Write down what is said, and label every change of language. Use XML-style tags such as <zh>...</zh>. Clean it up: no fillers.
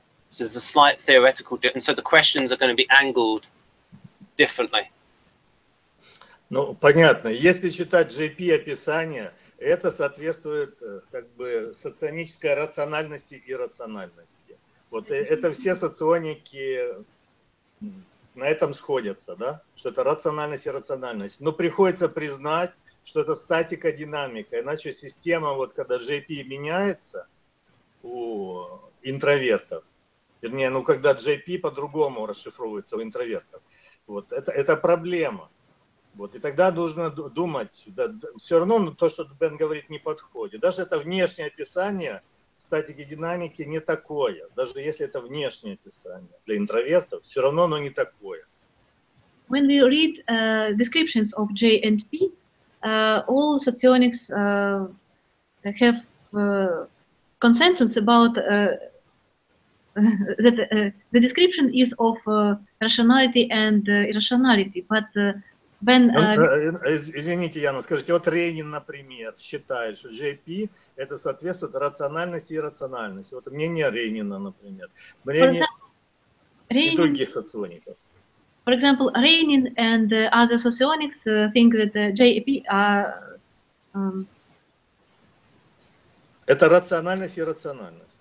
<en>So there's a slight theoretical difference. So the questions are going to be angled differently.</en> <ru>Ну, понятно. Если читать JP описание, это соответствует как бы соционической рациональности и иррациональности. Вот это все соционики на этом сходятся, да, что это рациональность и рациональность. Но приходится признать, что это статика, динамика. Иначе система, вот когда JP меняется у интровертов, вернее, ну когда JP по-другому расшифровывается у интровертов, вот это проблема. Вот, и тогда нужно думать, да, все равно то, что Бен говорит, не подходит. Даже это внешнее описание статики динамики не такое, даже если это внешнее описание для интровертов, все равно оно не такое.</ru> <en>When we read descriptions of J and P, all socionics have consensus about that the description is of rationality and irrationality, but Ben,</en> <ru>Извините, Яна, скажите, вот Ренин, например, считает, что JP это соответствует рациональности и рациональности. Вот мнение Ренина, например. Мнение Ренин, и других социоников.</ru> <en>For example, Ренин and other socionics think that JP</en> <ru>это рациональность и иррациональность.</ru>